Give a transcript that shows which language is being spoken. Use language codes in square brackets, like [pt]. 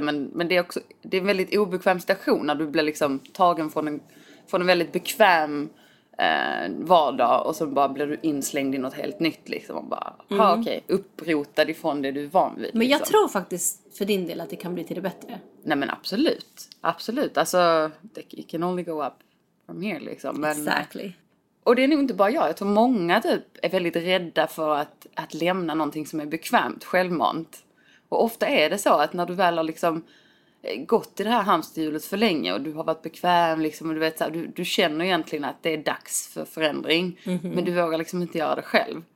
[sv] Men det är också, det är en väldigt obekväm situation när du blir liksom tagen från en väldigt bekväm vardag och så bara blir du inslängd i något helt nytt liksom och bara okej, upprotad ifrån det du är van vid. Men jag tror faktiskt för din del att det kan bli till det bättre. Nej men absolut. Absolut. Alltså [en] it can only go up from here [sv] liksom. Men, [en] exactly. [sv] Och det är nog inte bara jag tror många typ är väldigt rädda för att lämna någonting som är bekvämt självmant. Och ofta är det så att när du väl har liksom gått i det här hamsterhjulet för länge och du har varit bekväm liksom och du vet så här, du känner egentligen att det är dags för förändring. Mm-hmm. Men du vågar liksom inte göra det själv.